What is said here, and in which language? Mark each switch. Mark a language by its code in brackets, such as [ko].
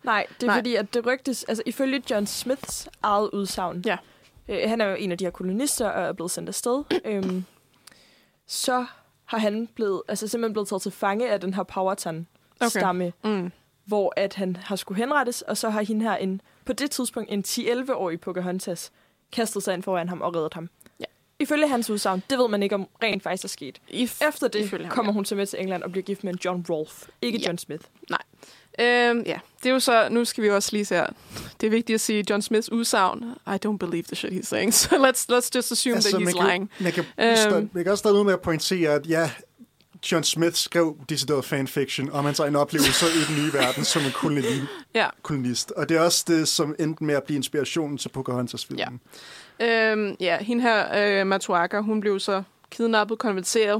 [da] Nej, det er fordi, at det rygtes, altså ifølge John Smiths eget udsagn, han er jo en af de her kolonister og er blevet sendt afsted, så har han simpelthen blevet taget til fange af den her Powhatan-stamme, hvor at han har skulle henrettes, og så har hende her på det tidspunkt en 10-11-årig Pocahontas kastede sig ind foran ham og reddede ham. Ja. Ifølge hans udsagn, det ved man ikke, om rent faktisk er sket. Efter det kommer hun med til England og bliver gift med en John Rolfe, ikke John Smith. Nej. Det er jo så, nu skal vi også lige se her. Det er vigtigt at sige, John Smiths udsagn, [en] I don't believe the shit he's saying, so let's just assume that he's lying. [da] Man kan også starte ud med at pointere, at John Smith skrev decideret fanfiction om hans egen oplevelse i den nye verden som en kolonist. Og det er også det, som endte med at blive inspirationen til Pocahontas-filmen. Ja, hende her, Matuaka, hun blev så kidnappet, konverteret.